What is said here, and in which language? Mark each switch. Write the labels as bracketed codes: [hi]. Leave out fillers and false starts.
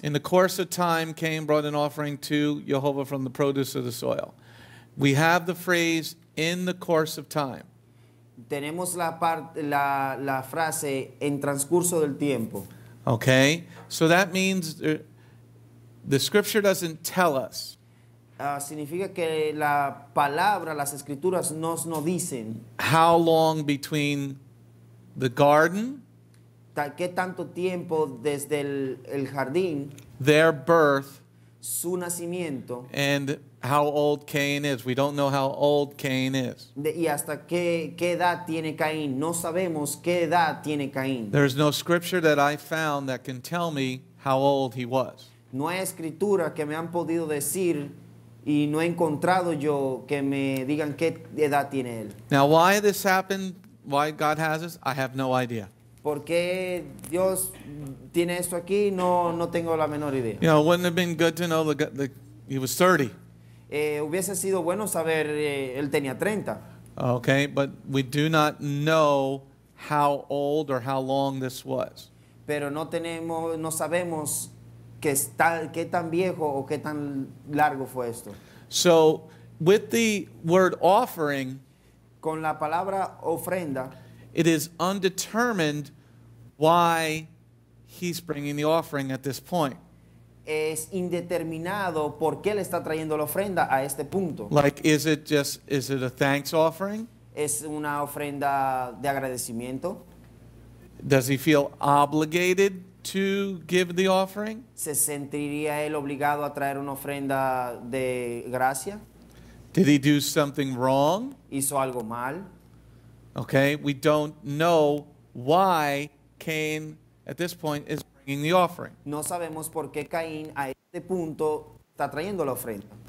[en] in the course of time, Cain brought an offering to Yehovah from the produce of the soil. We have the phrase, in the course of time. [es] Tenemos la la frase, en transcurso del tiempo. [en] Okay, so that means the scripture doesn't tell us. [es] Significa que la palabra, las escrituras nos no dicen. [en] How long between the garden? [es] ¿Qué tanto tiempo desde el jardín? [en] Their birth. [es] Su nacimiento. [en] And how old Cain is. We don't know how old Cain is. [es] Y hasta qué edad tiene Caín. No sabemos qué edad tiene Caín. [en] There's no scripture that I found that can tell me how old he was. [es] No hay escritura que me han podido decir y no he encontrado yo que me digan qué edad tiene él. [en] Now why this happened, why God has this, I have no idea. [es] ¿Por qué Dios tiene esto aquí? No tengo la menor idea. [en] You know, wouldn't it have been good to know the he was 30. [es] Hubiese sido bueno saber él tenía 30. [en] Okay, but we do not know how old or how long this was. [es] Pero no tenemos, no sabemos qué tan viejo o qué tan largo fue esto. [en] So, with the word offering, [es] con la palabra ofrenda, [en] it is undetermined why he's bringing the offering at this point. [es] Es indeterminado por qué le está trayendo la ofrenda a este punto. [en] Like, is it a thanks offering? [es] Es una ofrenda de agradecimiento. [en] Does he feel obligated to give the offering? [es] ¿Se sentiría él obligado a traer una ofrenda de gracia? [en] Did he do something wrong? [es] ¿Hizo algo mal? [en] Okay, we don't know why Cain at this point is bringing the offering. [es] No sabemos por qué Caín a este punto está trayendo la ofrenda.